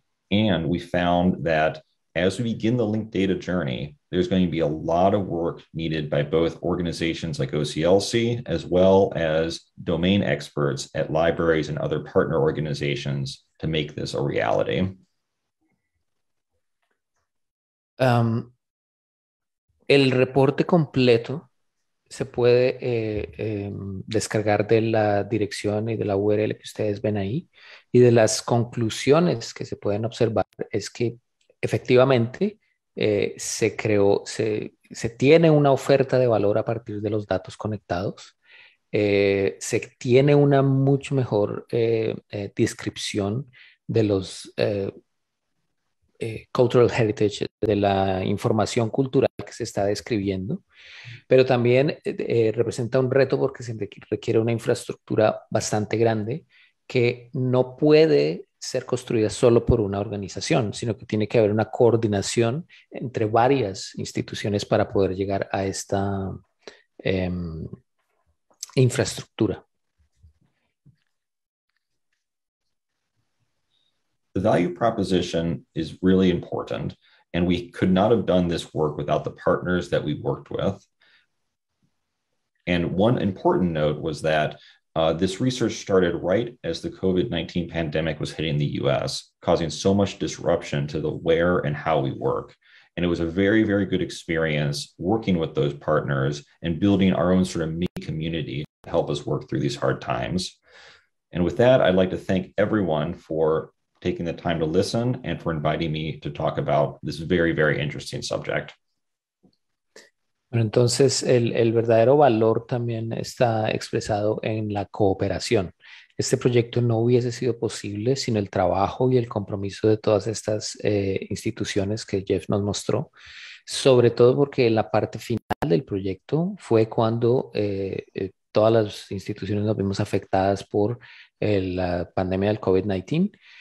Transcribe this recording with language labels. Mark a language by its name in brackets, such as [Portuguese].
[English] And we found that as we begin the linked data journey, there's going to be a lot of work needed by both organizations like OCLC, as well as domain experts at libraries and other partner organizations to make this a reality. [Spanish] El reporte completo se puede descargar de la dirección y de la URL que ustedes ven ahí. Y de las conclusiones que se pueden observar es que efectivamente se tiene una oferta de valor a partir de los datos conectados. Se tiene una mucho mejor descripción de los [English] cultural heritage, [Spanish] de la información cultural que se está describiendo, pero también representa un reto porque se requiere una infraestructura bastante grande que no puede ser construida solo por una organización, sino que tiene que haber una coordinación entre varias instituciones para poder llegar a esta infraestructura. [English] The value proposition is really important, and we could not have done this work without the partners that we worked with. And one important note was that this research started right as the COVID-19 pandemic was hitting the US, causing so much disruption to the where and how we work. And it was a very, very good experience working with those partners and building our own sort of mini community to help us work through these hard times. And with that, I'd like to thank everyone for taking the time to listen and for inviting me to talk about this very, very interesting subject. [Spanish] Bueno, entonces el verdadero valor también está expresado en la cooperación. Este proyecto no hubiese sido posible sin el trabajo y el compromiso de todas estas instituciones que Jeff nos mostró, sobre todo porque la parte final del proyecto fue cuando todas las instituciones nos vimos afectadas por la pandemia del COVID-19.